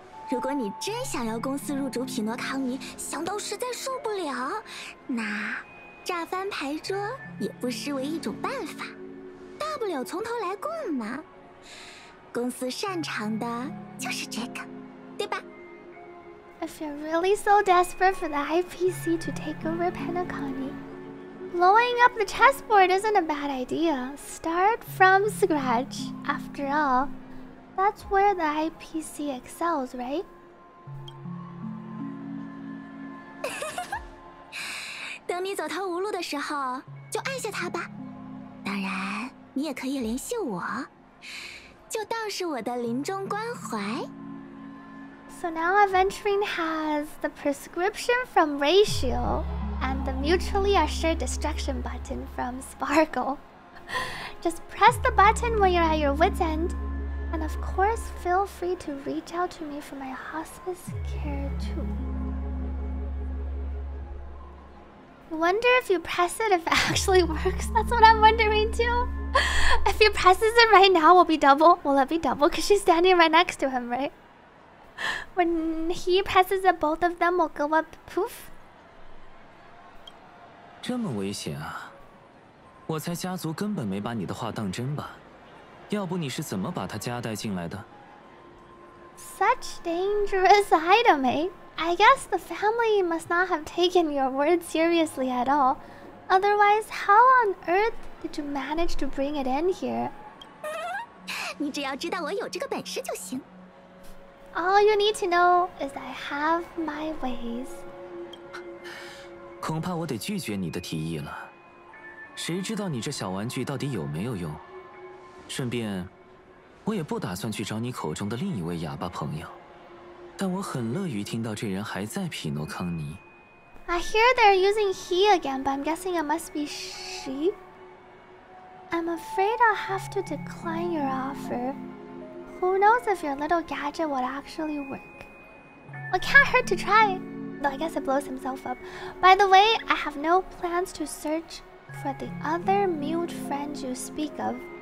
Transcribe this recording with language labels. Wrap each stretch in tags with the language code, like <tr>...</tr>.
<zh>如果你真想要公司入主匹诺康尼，想到实在受不了，那炸翻牌桌也不失为一种办法。大不了从头来过嘛。公司擅长的就是这个，对吧？</zh> <en>If you're really so desperate for the IPC to take over Panacani, blowing up the chessboard isn't a bad idea. Start from scratch. After all, that's where the IPC excels, right?</en> <zh>等你走投无路的时候，就按下它吧。当然，你也可以联系我，就当是我的临终关怀。</zh> <en>So now Aventurine has the prescription from Ratio and the mutually assured destruction button from Sparkle. Just press the button when you're at your wit's end. And of course, feel free to reach out to me for my hospice care too. I wonder if you press it, if it actually works. That's what I'm wondering too. If he presses it right now, will it be double? Will it be double? Because she's standing right next to him, right? When he passes it, both of them will go up, poof.</en> <zh>这么危险啊！我猜家族根本没把你的话当真吧？要不你是怎么把他夹带进来的</zh> <en>？Such dangerous item, eh? I guess the family must not have taken your words seriously at all. Otherwise, how on earth did you manage to bring it in here?</en> <zh>你只要知道我有这个本事就行。</zh> <en>All you need to know is I have my ways.</en> <zh>恐怕我得拒绝你的提议了。谁知道你这小玩具到底有没有用？顺便，我也不打算去找你口中的另一位哑巴朋友。但我很乐于听到这人还在匹诺康尼。</zh> <en>I hear they're using he again, but I'm guessing it must be she. I'm afraid I'll have to decline your offer. Who knows if your little gadget would actually work? It can't hurt to try, though I guess it blows himself up. By the way, I have no plans to search for the other mute friend you speak of.</en>